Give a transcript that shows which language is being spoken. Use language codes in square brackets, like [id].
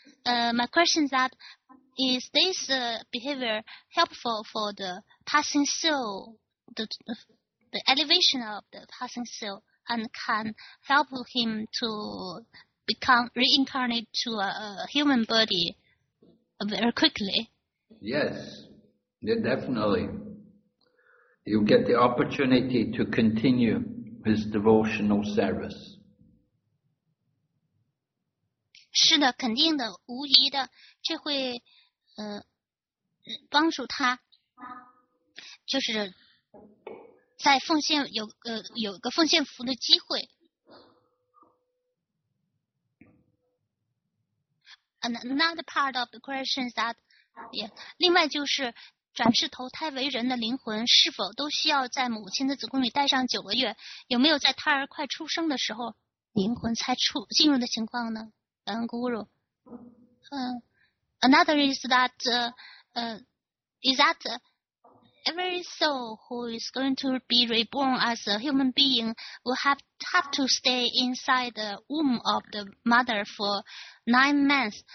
[en] My question is this behavior helpful for the passing soul, the elevation of the passing soul, and can help him to become reincarnated to a human body very quickly? Yes, definitely. He'll get the opportunity to continue his devotional service. [zh] 是的，肯定的，无疑的，这会帮助他，就是在奉献有个奉献服的机会。 [en] Another part of the question is that, yeah, [zh] 另外就是转世投胎为人的灵魂是否都需要在母亲的子宫里待上九个月？有没有在胎儿快出生的时候灵魂才进入的情况呢？恩姑姑。 [en] Another is that, is that every soul who is going to be reborn as a human being will have to stay inside the womb of the mother for 9 months.